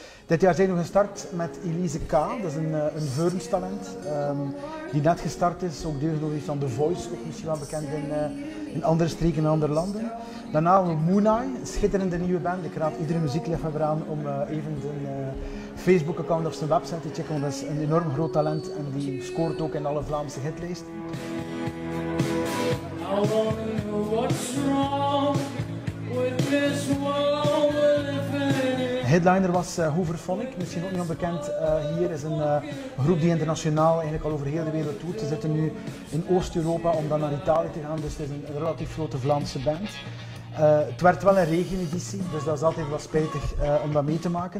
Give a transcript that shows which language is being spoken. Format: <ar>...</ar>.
<nl>Dit jaar zijn we gestart met Elise K, dat is een Veurns talent, die net gestart is, ook deelgenoot van The Voice, ook misschien wel bekend in andere streken en andere landen. Daarna Moonai, een schitterende nieuwe band. Ik raad iedere muziekliefhebber aan om even zijn Facebook-account of zijn website te checken, want dat is een enorm groot talent en die scoort ook in alle Vlaamse hitlijsten.</nl> <en>I wanna know what's wrong with this world we're living in.</en> <nl>Headliner was Hooverphonic, misschien ook niet onbekend hier. Is een groep die internationaal eigenlijk al over heel de wereld toert. Ze zitten nu in Oost-Europa om dan naar Italië te gaan, dus het is een relatief grote Vlaamse band. Het werd wel een regeneditie, dus dat is altijd wel spijtig om dat mee te maken.</nl>